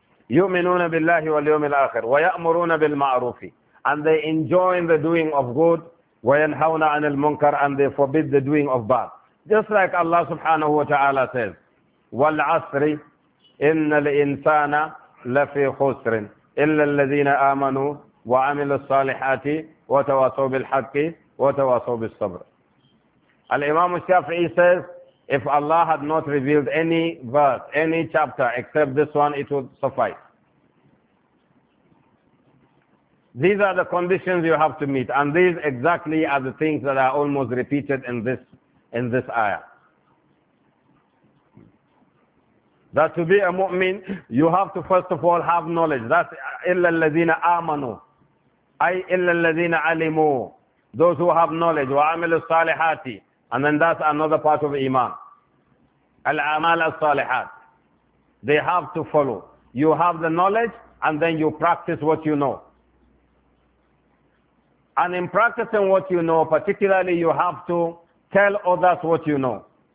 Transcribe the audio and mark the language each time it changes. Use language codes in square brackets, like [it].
[ar] يؤمنون بالله واليوم الآخر ويأمرون بالمعروف. [en] And they enjoin the doing of good [ar] وينهون عن المنكر, [en] and they forbid the doing of bad. Just like Allah subhanahu wa ta'ala says, [ar] والعصر إن الإنسان لفي خسر إلا الذين آمنوا وعملوا الصالحات وتواصوا بالحق وتواصوا بالصبر. [en] الإمام الشافعي says, if Allah had not revealed any verse, any chapter except this one, it would suffice. These are the conditions you have to meet. And these exactly are the things that are almost repeated in this ayah. That to be a mu'min, you have to first of all have knowledge. That's [ar] إِلَّا الَّذِينَ آمَنُوا أي إِلَّا الَّذِينَ عَلِمُوا. [en] Those who have knowledge. [ar] وَعَمِلُوا الصَّالِحَاتِ. [en] And then that's another part of Iman. Al-amal al-salihat. They have to follow. You have the knowledge and then you practice what you know. And in practicing what you know, particularly you have to tell others what you know.